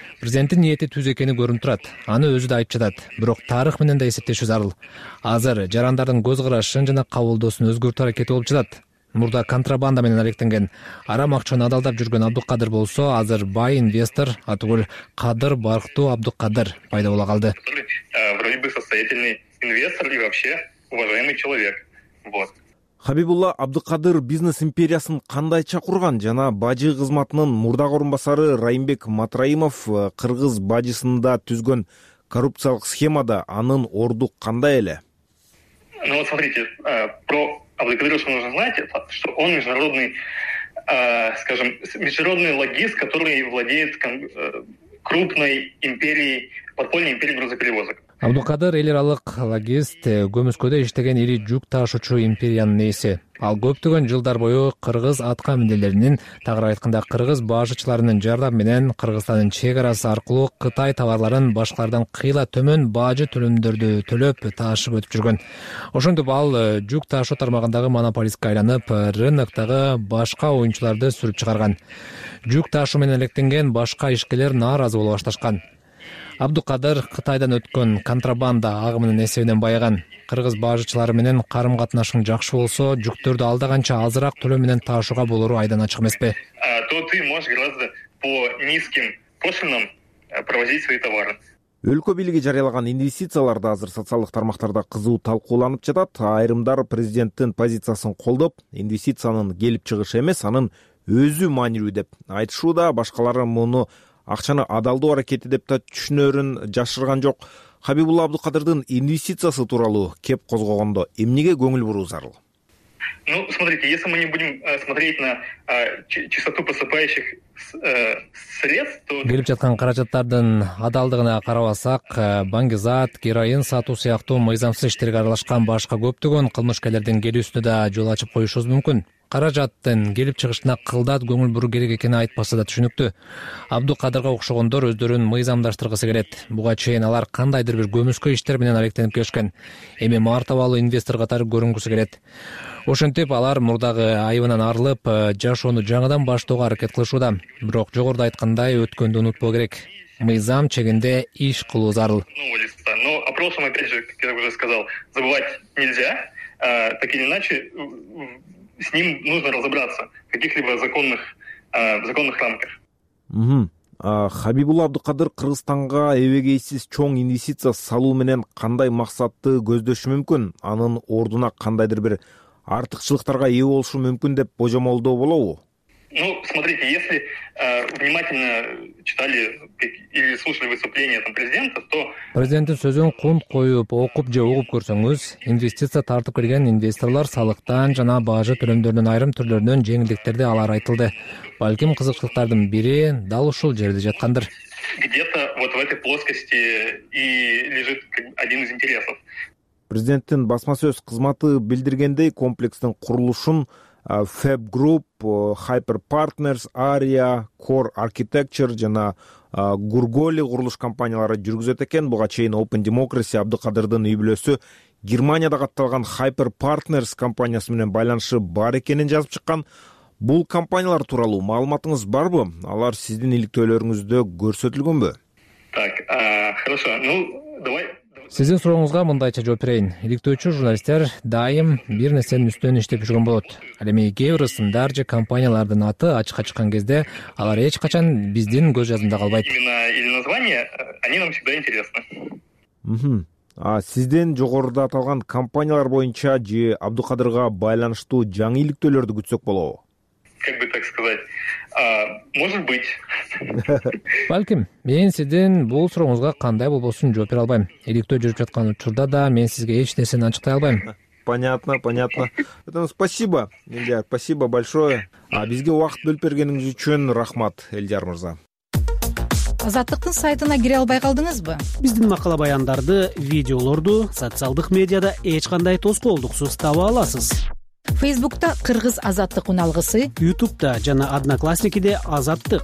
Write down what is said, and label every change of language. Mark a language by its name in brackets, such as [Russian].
[Kyrgyz] Президенттин ниети түз экени көрүнүп турат. Аны өзү да айтып жатат. Бирок тарых менен да эсептешүү зарыл. Азыр жарандардын көз карашын жана кабылдоосун өзгөртүү аракети болуп жатат. Мурда контрабанда менен алектенген, арам акчаны адалдап жүргөн Абдукадыр болсо, азыр бай инвестор, атүгүл кадыр барктуу Абдукадыр пайда боло калды. [Russian] Вроде бы состоятельный инвестор и вообще уважаемый человек. Вот. [Kyrgyz] Хабибулла Абдукадыр бизнес империясын кандайча курган жана бажы кызматынын мурдагы орун басары Райымбек Матраимов кыргыз бажысында түзгөн коррупциялык схемада анын орду кандай эле? [Russian] Ну вот смотрите, про Абдукадыра что нужно знать, это, что он международный, скажем, международный логист, который владеет крупной империей, подпольной империей грузоперевозок. [Kyrgyz] Абдукадыр эл аралык логист, көмүскөдө иштеген ири жүк ташуучу империянын ээси. Ал көптөгөн жылдар бою кыргыз атка мүндөлөрүнүн, тагыраак айтканда кыргыз бажычыларынын жардам менен Кыргызстандын чек арасы аркылуу Кытай товарларын башкалардан кыйла төмөн бажы төлөмдөрдү төлөп ташып өтүп жүргөн. Ошондуп ал жүк ташуу тармагындагы монополистке айланып, рыноктагы башка оюнчуларды сүрүп чыгарган. Жүк ташуу менен алектенген башка ишкерлер нааразы боло башташкан. Абдукадыр Кытайдан өткөн контрабанда агымынын эсебинен байыган. Кыргыз бажычылары менен карым катнашың жакшы болсо, жүктөрдү алдаганча азыраак төлөө менен ташууга болору айдан ачык эмеспи? [Russian] То ты можешь гораздо по низким пошлинам провозить свои товары. [Kyrgyz] Өлкө бийлиги жарыялаган инвестициялар да азыр социалдык тармактарда кызуу талкууланып жатат. Айрымдар президенттин позициясын колдоп, инвестициянын келип чыгышы эмес, анын өзү маанилүү деп айтышууда. Башкалары муну акчаны адалдоо аракети деп да түшүнөрүн жашырган жок. Хабибулла Абдукадырдын инвестициясы тууралуу кеп козгогондо эмнеге көңүл буруу зарыл? [Russian] Ну, смотрите, если мы не будем смотреть на чистоту поступающих средств, то... [Kyrgyz] Бөліп жаткан каражаттардың адалдығына карабасак, баңгизат, героин сатуу сыяктуу мыйзамсыз иштерге аралашкан башка көптөгөн кылмышкерлердин келүүсүнө да жол ачып коюшубуз мүмкүн. Каражаттын келип чыгышына кылдат көңүл буруу керек экени айтпаса да түшүнүктүү. Абдукадырга окшогондор өздөрүн мыйзамдаштыргысы келет. Буга чейин алар кандайдыр бир көмүскө иштер менен алектенип келишкен. Эми мартабалуу инвестор катары көрүнгүсү келет. Ошентип алар мурдагы айыбынан арылып, жашоону жаңыдан баштоого аракет кылышууда. Бирок жогоруда айткандай, өткөндү унутпоо керек. Мыйзам чегинде иш кылуу зарыл. [Russian] Но опросом, опять же, как я уже сказал, забывать нельзя. Так или иначе, с ним нужно разобраться в каких-либо законных рамках. [Kyrgyz] Хабибул Абдукадыр Кыргызстанга эбегейсиз чоң инвестиция салуу менен кандай максатты көздөшү мүмкүн? Анын ордуна кандайдыр бир артыкчылыктарга ээ болушу мүмкүн деп божомолдоо болобу? [Russian] Ну, смотрите, если внимательно читали или слушали выступления там президента, то [Kyrgyz] президенттин сөзүн кунт коюп, окуп же угуп көрсөңүз, инвестиция тартып келген инвесторлор салыктан жана бажы төлөмдөрүнүн айрым түрлөрүнөн жеңилдиктерди алар айтылды. Балким кызыкчылыктардын бири дал ушул жерде жаткандыр. [Russian] Где-то вот в этой плоскости и лежит один из интересов. [Kyrgyz] Президенттин басма сөз кызматы билдиргендей, комплекстин курулушун Fab Group, Hyper Partners, Aria, Core Architecture жана Gurgoli курулуш компаниялары жүргүзөт экен. Буга чейин Open Democracy Абдыкадырдын үй-бүлөсү Германияда катталган Hyper Partners компаниясы менен байланышы бар экенин жазып чыккан. Бул компаниялар тууралуу маалыматыңыз барбы? Алар сиздин иликтөөлөрүңүздө көрсөтүлгөнбү? [Russian] Так, хорошо. Ну, давай. [Kyrgyz] Сиздин сурооңузга мындайча жооп берейин. Иликтөөчү журналисттер дайым бир нерсенин үстөнүн иштеп жүргөн болот. Ал эми кээ бир ысымдар же компаниялардын аты ачыкка чыккан кезде алар эч качан биздин көз жазында калбайт. [Russian] Имена или название, они нам всегда интересны. [Kyrgyz] Сиздин жогоруда аталган компаниялар боюнча же Абдукадырга байланыштуу жаңы иликтөөлөрдү күтсөк болобу? [Russian] Как бы так сказать. Может быть. [Kyrgyz] Балким, мен сиздин бул сурооңузга кандай болбосун жооп бере албайм. Иликтөө жүрүп жаткан учурда да мен сизге эч нерсени ачыктай албайм. [Russian] Понятно, понятно. Поэтому спасибо, Эльдар, спасибо большое. [Kyrgyz] Бизге убакыт бөлүп бергениңиз үчүн рахмат, Эльдар мырза. Азаттыктын сайтына кире албай калдыңызбы? Биздин макала баяндарды, видеолорду социалдык медиада эч кандай тоскоолдуксуз таба аласыз. Фейсбукта Кыргыз Азаттык уналгысы, Ютубта жана Одноклассникиде Азаттык,